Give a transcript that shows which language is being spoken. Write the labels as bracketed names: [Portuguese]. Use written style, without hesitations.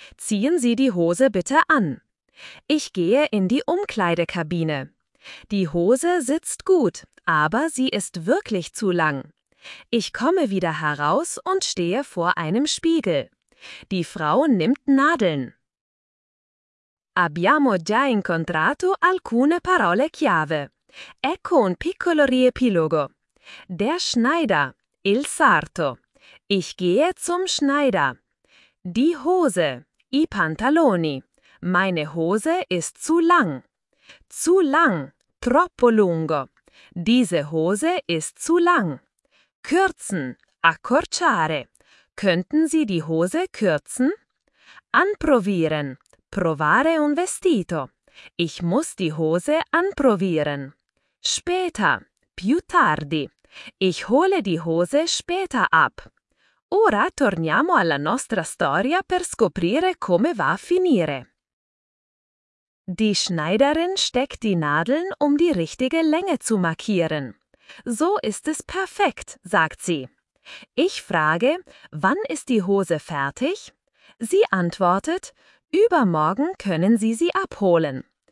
[German] Ziehen Sie die Hose bitte an. Ich gehe in die Umkleidekabine. Die Hose sitzt gut, aber sie ist wirklich zu lang. Ich komme wieder heraus und stehe vor einem Spiegel. Die Frau nimmt Nadeln. [Italian] Abbiamo già incontrato alcune parole chiave. Ecco un piccolo riepilogo. [German] Der Schneider, [Italian] il sarto. [German] Ich gehe zum Schneider. Die Hose, [Italian] i pantaloni. [German] Meine Hose ist zu lang. Zu lang, [Italian] troppo lungo. [German] Diese Hose ist zu lang. Kürzen, [Italian] accorciare. [German] Könnten Sie die Hose kürzen? Anprovieren, [Italian] provare un vestito. [German] Ich muss die Hose anprovieren. Später, [Italian] più tardi. [German] Ich hole die Hose später ab. [Italian] Ora torniamo alla nostra storia per scoprire come va a finire. [German] Die Schneiderin steckt die Nadeln, um die richtige Länge zu markieren. So ist es perfekt, sagt sie. Ich frage, wann ist die Hose fertig? Sie antwortet, übermorgen können Sie sie abholen.